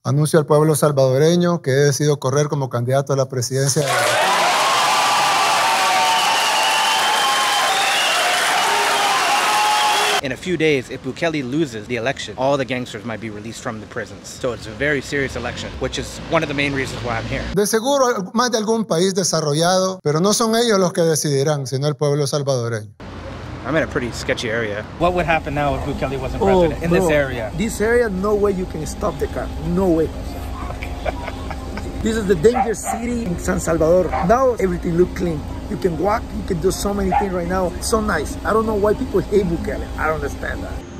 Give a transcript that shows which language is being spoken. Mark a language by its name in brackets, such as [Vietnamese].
[Spanish] Anuncio al pueblo salvadoreño que he decidido correr como candidato a la presidencia. [English] In a few days, if Bukele loses the election, all the gangsters might be released from the prisons. So it's a very serious election, which is one of the main reasons why I'm here. [Spanish] De seguro, más de algún país desarrollado, pero no son ellos los que decidirán, sino el pueblo salvadoreño. [English] I'm in a pretty sketchy area. What would happen now if Bukele wasn't president in this area? This area, no way you can stop the car. No way. This is the dangerous city in San Salvador. Now everything looks clean. You can walk, you can do so many things right now. So nice. I don't know why people hate Bukele. I don't understand that.